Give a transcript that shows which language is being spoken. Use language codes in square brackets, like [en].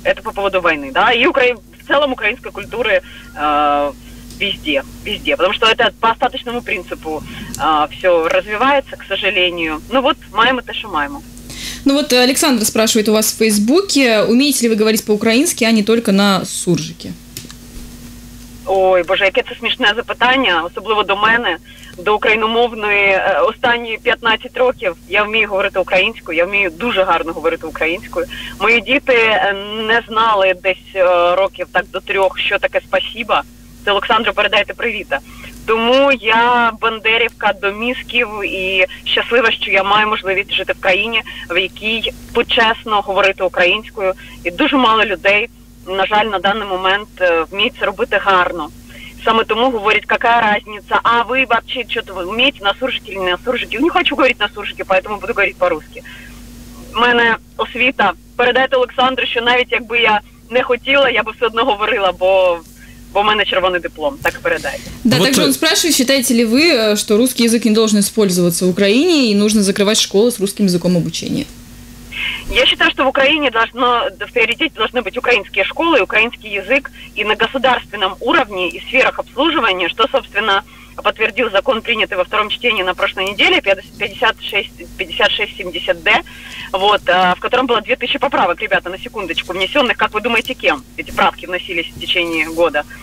[ru] Это по поводу войны, да, и в целом украинской культуры везде. Потому что это по остаточному принципу все развивается, к сожалению. Ну вот, маем это шо маем. Ну вот Александр спрашивает у вас в Фейсбуке, умеете ли вы говорить по-украински, а не только на суржике? [uk] Ой, боже, яке це смішне запитання, особливо до мене, до україномовної. Останні 15 років я вмію говорити українською, я вмію дуже гарно говорити українською. Мої діти не знали десь років так до 3, що таке спасіба. Це Олександру передайте привіта. Тому я бандерівка до мізків і щаслива, що я маю можливість жити в країні, в якій почесно говорити українською. І дуже мало людей, на жаль, на даний момент вміють це робити гарно. Саме тому говорять, яка різниця, а ви, взагалі, що-то вмієте на суржики чи не на суржики? Не хочу говорити на суржики, тому буду говорити по-русски. У мене освіта. Передайте Олександру, що навіть якби я не хотіла, я би все одно говорила, бо в мене червоний диплом, так передай. [ru] Да, вот также он спрашивает, считаете ли вы, что русский язык не должен использоваться в Украине и нужно закрывать школы с русским языком обучения? Я считаю, что в Украине в приоритете должны быть украинские школы, украинский язык и на государственном уровне и сферах обслуживания, что, собственно, подтвердил закон, принятый во втором чтении на прошлой неделе, 5670D, вот, в котором было 2000 поправок, ребята, на секундочку, внесенных, как вы думаете, кем эти правки вносились в течение года?